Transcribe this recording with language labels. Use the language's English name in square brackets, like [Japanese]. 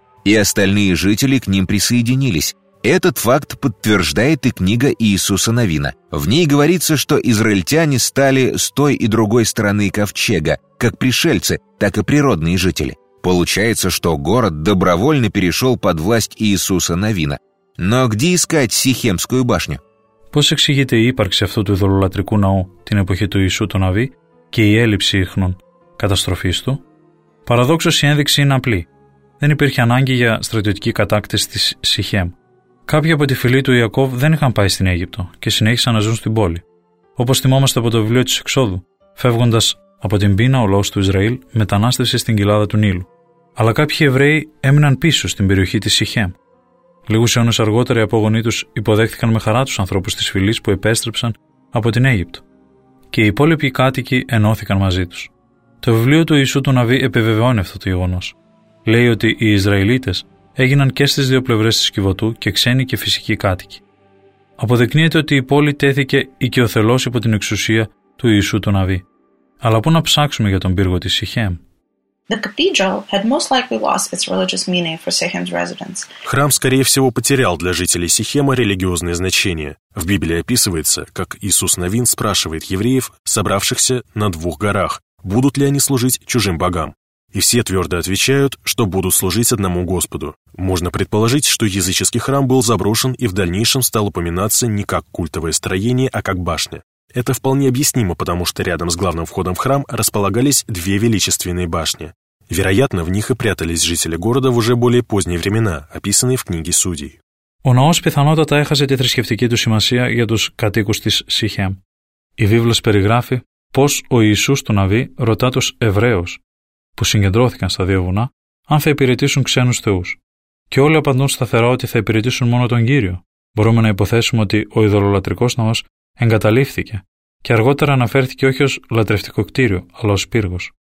[Russian] И остальные жители к ним присоединились. Этот факт подтверждает и книга Иисуса Навина. В ней говорится, что израильтяне стали с той и другой стороны ковчега, как пришельцы, так и природные жители. Получается, что город добровольно перешел под власть Иисуса Навина. Но где искать Сихемскую башню? [Greek] Πώς εξηγείται η ύπαρξη αυτού του ειδωλολατρικού ναού την εποχή του Ιησού τον Αβή και η έλλειψη ίχνων καταστροφής του? Παραδόξως η ένδειξη είναι απλή. Δεν υπήρχε ανάγκη για στρατιωτική κατάκτηση της Σιχέμ. Κάποιοι από τη φυλή του Ιακώβ δεν είχαν πάει στην Αίγυπτο και συνέχισαν να ζουν στην πόλη. Όπως θυμόμαστε από το βιβλίο της Εξόδου, φεύγοντας από την πείνα, ο λαός του Ισραήλ μετανάστευσε στην κοιλάδα του Νείλου. Αλλά κάποιοι Εβραίοι έμειναν πίσω στην περιοχή της Σιχέμ. Λίγους αιώνες αργότερα οι απόγονοί τους υποδέχτηκαν με χαρά τους ανθρώπους της φυλής που επέστρεψαν από την Αίγυπτο. Και οι υπόλοιποι κάτοικοι ενώθηκαν μαζί τους. Το βιβλίο του Ιησού του Ναβί επιβεβαιώνει αυτό το γεγονός. Λέει ότι οι Ισραηλίτες έγιναν και στις δύο πλευρές της Κιβωτού και ξένοι και φυσικοί κάτοικοι. Αποδεικνύεται ότι η πόλη τέθηκε οικειοθελώς υπό την εξουσία του Ιησού του Ναβί. Αλλά πού να ψάξουμε για τον πύργο της Σιχέμ? [Russian] Храм, скорее всего, потерял для жителей Сихема религиозное значение. В Библии описывается, как Иисус Навин спрашивает евреев, собравшихся на двух горах, будут ли они служить чужим богам. И все твердо отвечают, что будут служить одному Господу. Можно предположить, что языческий храм был заброшен и в дальнейшем стал упоминаться не как культовое строение, а как башня. Это вполне объяснимо, потому что рядом с главным входом в храм располагались две величественные башни. Вероятно, в них и прятались жители города в уже более поздние времена, описанные в книге Судей. [Greek] Ο ναός πιθανότατα έχασε τη θρησκευτική του σημασία για τους κατοίκους της Σιχέμ. Η Βίβλος περιγράφει πως ο Ιησούς του Ναβί ρωτά τους Εβραίους, που συγκεντρώθηκαν στα δύο βουνά, αν θα υπηρετήσουν ξένους θεούς. Και όλοι απαντούν σταθερά ότι θα υπηρετήσουν μόνο τον Κύριο. Μπορούμε να υποθέσουμε ότι ο ειδωλολατρικός ναός εγκαταλείφθηκε και αργότερα αναφέρθηκε όχι ως λατρευτικό κτίριο, αλλά ως πύργος.